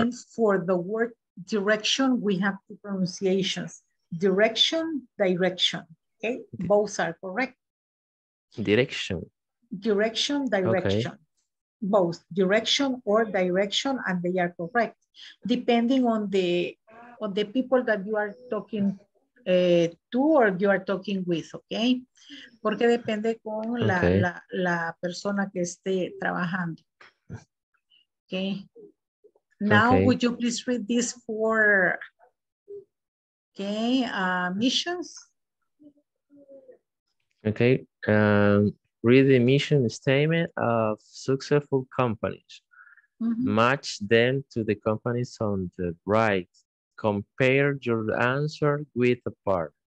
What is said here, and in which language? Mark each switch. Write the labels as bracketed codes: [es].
[en] And for the word direction, we have two pronunciations, direction, okay? Both are correct. Direction, okay. Both direction or direction, and they are correct, depending on the people that you are talking to. Tú or you are talking with, okay? [es] Porque depende con la persona que esté trabajando. [en] Okay. Now, okay. Would you please read this for, okay, missions? Okay. Read the mission statement of successful companies. Mm-hmm. Match them to the companies on the right. Compare your answer with a part.